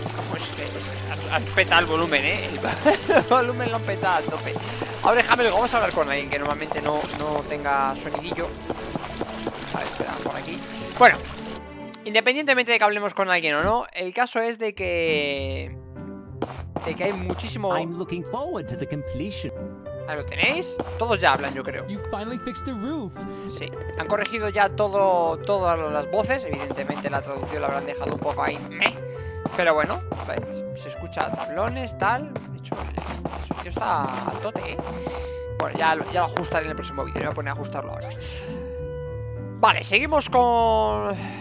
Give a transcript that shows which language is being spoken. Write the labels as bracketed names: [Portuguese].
[Spanish] Pues has petado el volumen, ¿eh? El volumen lo han petado al tope. Ahora déjame, vamos a hablar con alguien que normalmente no tenga sonidillo. A ver, espera, por aquí. Bueno, independientemente de que hablemos con alguien o no, el caso es de que hay muchísimo. [English] I'm looking forward to the completion. [Spanish] Ahí lo tenéis. Todos ya hablan, yo creo. [English] You've finally fixed the roof. [Spanish] Sí, han corregido ya todas las voces. Evidentemente la traducción la habrán dejado un poco ahí. Pero bueno, ¿ves? Se escucha tablones, tal. De hecho, está al tote, ¿eh? Bueno, ya lo ajustaré en el próximo vídeo. Me voy a poner a ajustarlo ahora. Vale, seguimos con...